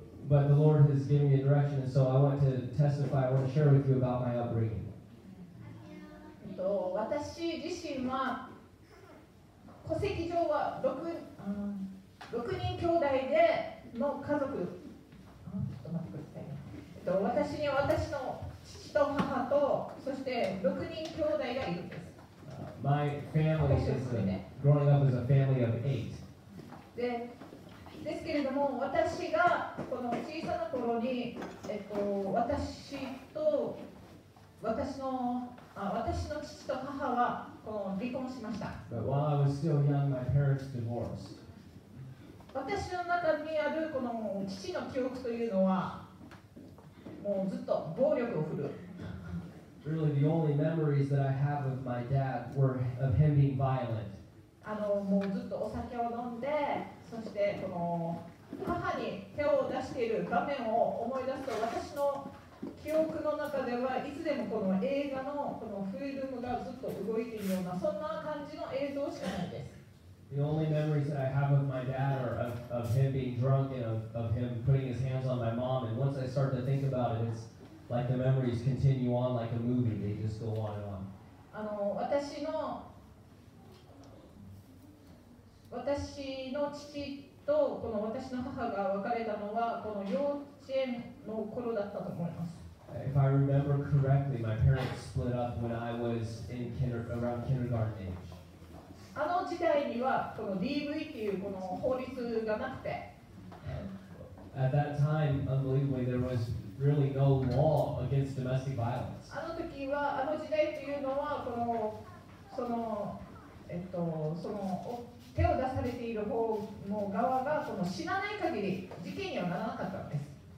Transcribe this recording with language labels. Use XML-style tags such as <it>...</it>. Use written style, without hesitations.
<en>But the Lord has given me a direction, so I want to testify, I want to share with you about my upbringing.</en> <ja>私自身は戸籍上は 6人兄弟での家族、ちょっと待ってください。私には私の父と母とそして6人兄弟がいるんです。</ja> <en>My family is growing up as a family of eight.</en> <ja>で、ですけれども私がこの小さな頃に、私と私の私の父と母はこの離婚しました。</ja> <en>But while I was still young, my parents divorced.</en> <ja>私の中にあるこの父の記憶というのはもうずっと暴力を振る。</ja> <en>Really, the only memories that I have of my dad were of him being violent.</en> <ja>もうずっとお酒を飲んで、そしてこの母に手を出している場面を思い出すと私の記憶の中ではいつでもこの映画のこのフィルムがずっと動いているようなそんな感じの映像しかないです。</ja> <en>The only memories that I have of my dad are of him being drunk and of him putting his hands on my mom. And once I start to think about it, it's like the memories continue on like a movie. They just go on and on.</en> <ja>私の父とこの私の母が別れたのはこの幼稚園の頃だったと思います。</ja> <en>If I remember correctly, my parents split up when I was in around kindergarten age.</en> <ja>あの時代にはこの DV っていうこの法律がなくて。</ja> <en>At that time, unbelievably, there was really no law against domestic violence.</en> <ja>あの時代っていうのはこのその手を出されている方の側がこの死なない限り事件にはならなかったんです。</ja>